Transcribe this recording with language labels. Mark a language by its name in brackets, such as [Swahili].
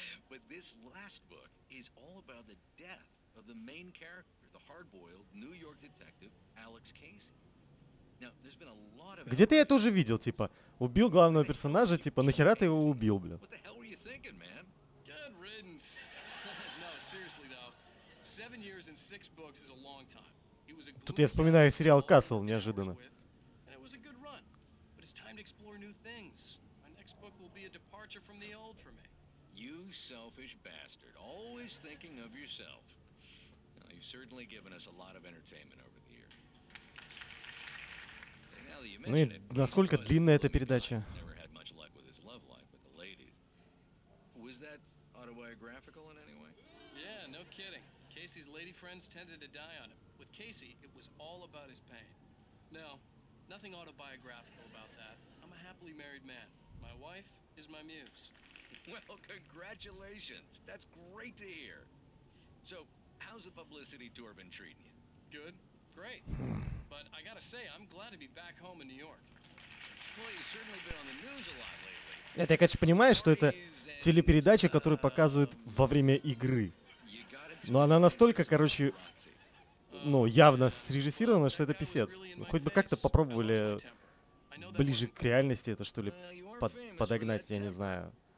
[English] But this last book is all about the death of the main character, the hard-boiled New York detective Alex Casey. Now, there's been a lot of... [Russian] Где-то я тоже видел, типа, убил главного персонажа, типа, нахера ты его убил, блин? [English] What the hell were you thinking, man? Good riddance. No, seriously, though. 7 years and 6 books is a long time. [Russian] Тут я вспоминаю сериал Касл, неожиданно. [English] And it was a good run. But it's time to explore new things. My next book will be a departure from the old for me. You selfish bastard, always thinking of yourself. Now, you've certainly given us a lot of entertainment over the years. [Russian] Ну и насколько длинная эта передача? [English] Never had much luck with his love life with the ladies. Was that autobiographical in any way? Yeah, no kidding. Casey's lady friends tended to die on him. With Casey, it was all about his pain. No, nothing autobiographical about that. I'm a happily married man. My wife is my muse. Well, congratulations. That's great to hear. So, how's the publicity tour been treating you? Good. Great. But I gotta say, I'm glad to be back home in New York. Well, you've certainly been on the news a lot lately. [Russian] Это я, конечно, понимаю, что это телепередача, которую показывают во время игры. Но она настолько, короче, ну, явно срежиссирована, что это писец. Ну, хоть бы как-то попробовали ближе к реальности это, что ли, подогнать, я не знаю.